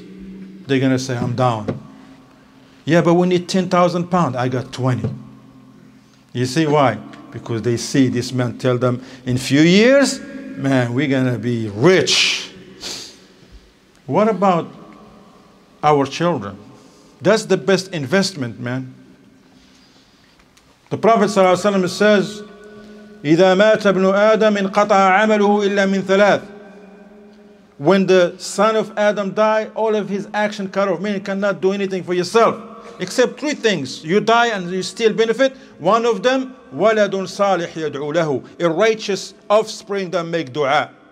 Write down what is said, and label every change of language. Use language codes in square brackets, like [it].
[en] They're going to say, I'm down. Yeah, but we need 10,000 pounds. I got 20. You see why? Because they see this man tell them, in few years, man, we're gonna be rich. What about our children? That's the best investment, man. The Prophet ﷺ says, [ar] إِذَا مَاتَ ابْنُ آدَمٍ قَطَعَ عَمَلُهُ إِلَّا مِنْ ثَلَاثٍ. [en] When the son of Adam die, all of his action cut off, meaning cannot do anything for yourself, except three things. You die and you still benefit. One of them, [ar] وَلَدٌ صَالِحْ يَدْعُو لَهُ, [en] a righteous offspring that make dua.